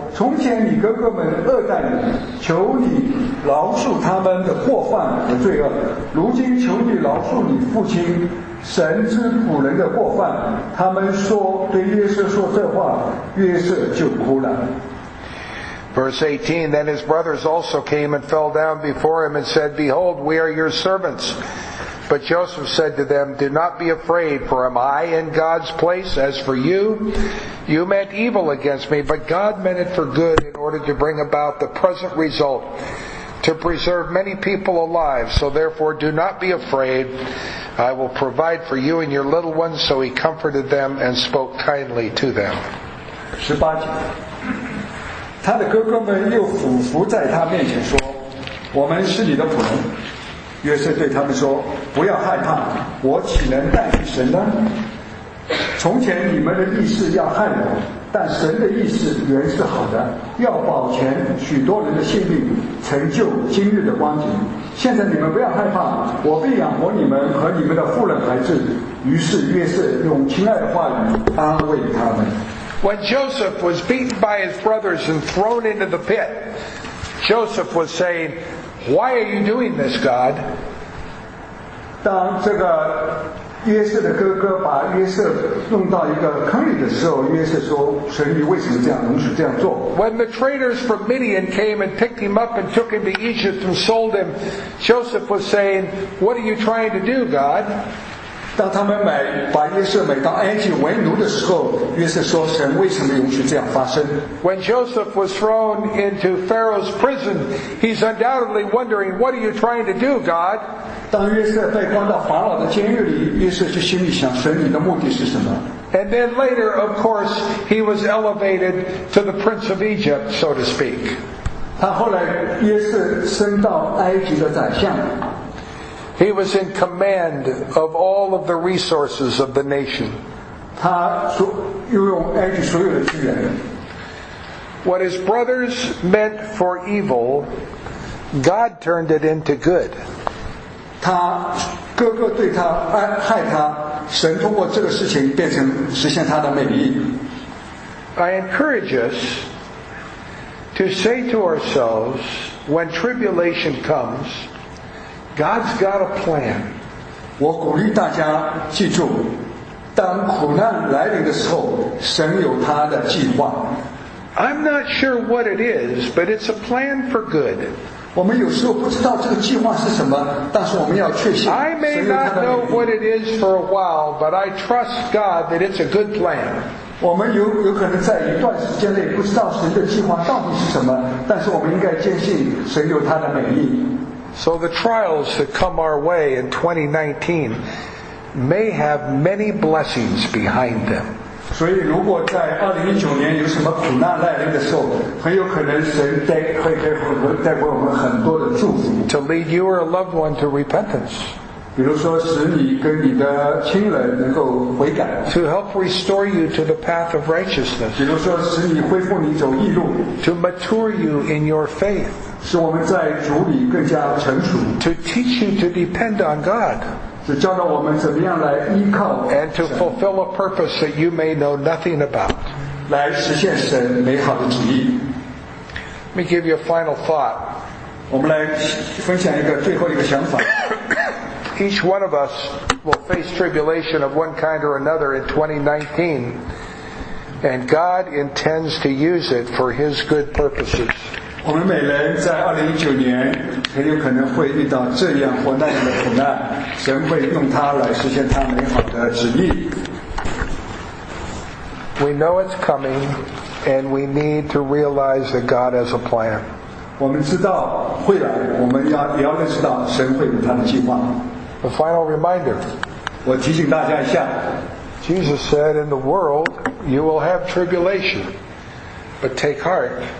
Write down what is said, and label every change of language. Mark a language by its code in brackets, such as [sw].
[zh] 从前你哥哥们恶待你，求你饶恕他们的过犯和罪恶。如今求你饶恕你父亲神之仆人的过犯。他们说对约瑟说这话，约瑟就哭了。 [en] Verse 18, Then his brothers also came and fell down before him and said, Behold, we are your servants. But Joseph said to them, Do not be afraid, for am I in God's place? As for you... You meant evil against me, but God meant it for good in order to bring about the present result, to preserve many people alive. So therefore, do not be afraid. I will provide for you and your little ones. So he comforted them and spoke kindly to them. [zh] 18节，他的哥哥们又俯伏在他面前说，我们是你的仆人。约瑟对他们说，不要害怕，我岂能代替神呢？从前你们的意思要害我，但神的意思原是好的，要保全许多人的性命，成就今日的光景。现在你们不要害怕，我必养活你们和你们的妇人孩子。于是约瑟用亲爱的话语安慰他们。 [en] When Joseph was beaten by his brothers and thrown into the pit, Joseph was saying, why are you doing this, God? [zh] 当这个约瑟的哥哥把约瑟弄到一个坑里的时候，约瑟说，神你为什么这样容许这样做？ [en] When the traders from Midian came and picked him up and took him to Egypt and sold him, Joseph was saying, what are you trying to do, God? [zh] 当他们把约瑟买到埃及为奴的时候，约瑟说：“神为什么允许这样发生？” [en] When Joseph was thrown into Pharaoh's prison, he's undoubtedly wondering, "What are you trying to do, God?" [zh] 当约瑟被关到法老的监狱里，约瑟就心里想：“神，你的目的是什么？” [en] And then later, of course, he was elevated to the prince of Egypt, so to speak. [zh] 他后来约瑟升到埃及的宰相。 [en] He was in command of all of the resources of the nation. [zh] 他用埃及所有的资源。 [en] What his brothers meant for evil, God turned it into good. [zh] 他哥哥对他害他，神通过这个事情变成实现他的美意。 [en] I encourage us to say to ourselves, when tribulation comes,God's got a plan. [zh] 我鼓励大家记住，当苦难来临的时候，神有他的计划。 [en] I'm not sure what it is, but it's a plan for good. [zh] 我们有时候不知道这个计划是什么，但是我们要确信。 [en] I may not know what it is for a while, but I trust God that it's a good plan. [zh] 我们有可能在一段时间内不知道神的计划到底是什么，但是我们应该坚信神有他的美意。 [en] So the trials that come our way in 2019 may have many blessings behind them. [zh] 所以如果在2019年有什么苦难来临的时候，很有可能神会给我们很多的祝福。 [en] To lead you or a loved one to repentance. [zh] 比如说使你跟你的亲人能够悔改。 [en] To help restore you to the path of righteousness. [zh] 比如说使你恢复你走义路。 [en] To mature you in your faith. [zh] 使我们在主里更加成熟。 [en] To teach you to depend on God. [zh] 是教导我们怎么样来依靠神。 [en] And to fulfill a purpose that you may know nothing about. [zh] 来实现神美好的旨意。 [en] Let me give you a final thought. [zh] 我们来分享一个最后一个想法。 [en] Each one of us will face tribulation of one kind or another in 2019, and God intends to use it for His good purposes. [zh] 我们每人在2019年很有可能会遇到这样或那样的苦难，神会用它来实现他美好的旨意。 [en] We know it's coming, and we need to realize that God has a plan. [zh] 我们知道会来，我们也要认识到神会有他的计划。 [en] A final reminder. [zh] 我提醒大家一下。 [en] Jesus said, "In the world, you will have tribulation, but take heart."